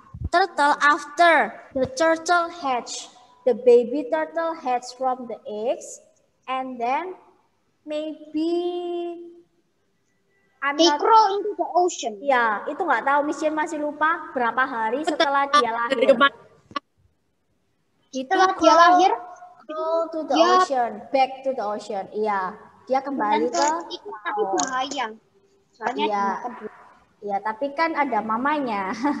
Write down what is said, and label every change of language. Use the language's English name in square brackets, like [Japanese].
[English] Turtle after the turtle hatch, the baby turtle hatch from the eggs, and then maybe they crawl into the ocean. [Indonesian] Ya, itu nggak tahu. Miss Jen masih lupa berapa hari setelah dia lahir. Setelah dia lahir, [English] crawl to the ocean, back to the ocean. [Indonesian] Iya. Dia kembali ke tapi bahaya. Soalnya iya, tapi kan ada mamanya.